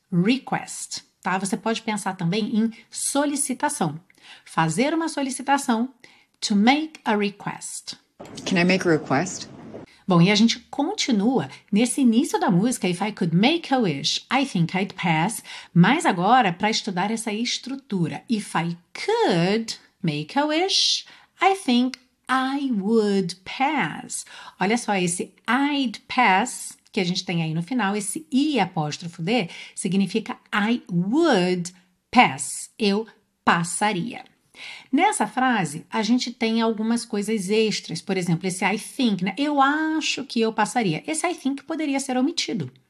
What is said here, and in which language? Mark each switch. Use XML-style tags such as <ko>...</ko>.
<pt>Request, tá? Você pode pensar também em solicitação. Fazer uma solicitação,</pt> <en>to make a request. Can I make a request?</en> <pt>Bom, e a gente continua nesse início da música,</pt> <en>If I Could Make a Wish, I Think I'd Pass,</en> <pt>mas agora para estudar essa estrutura.</pt> <en>If I could make a wish, I think I would pass.</en> <pt>Olha só, esse I'd pass que a gente tem aí no final, esse I apóstrofo D, significa</pt> <en>I would pass,</en> <pt>eu passaria. Nessa frase, a gente tem algumas coisas extras, por exemplo, esse I think, né? Eu acho que eu passaria. Esse I think poderia ser omitido.</pt>